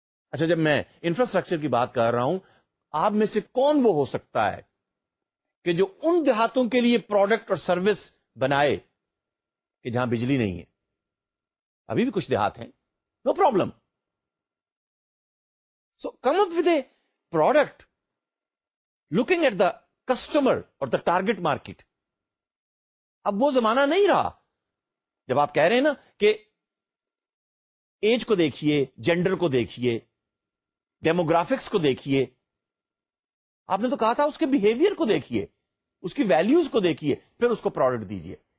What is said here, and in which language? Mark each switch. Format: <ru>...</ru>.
<ur>اچھا جب میں انفراسٹرکچر کی بات کر رہا ہوں, آپ میں سے کون وہ ہو سکتا ہے کہ جو ان دیہاتوں کے لیے پروڈکٹ اور سروس بنائے کہ جہاں بجلی نہیں ہے؟ ابھی بھی کچھ دیہات ہیں,</ur> <en>No problem. So come up with a product looking at the customer اور the target market.</en> <ur>اب وہ زمانہ نہیں رہا جب آپ کہہ رہے ہیں نا کہ ایج کو دیکھیے, جینڈر کو دیکھیے, ڈیموگرافکس کو دیکھیے. آپ نے تو کہا تھا اس کے بیہیویئر کو دیکھیے, اس کی ویلیوز کو دیکھیے, پھر اس کو پروڈکٹ دیجیے.</ur>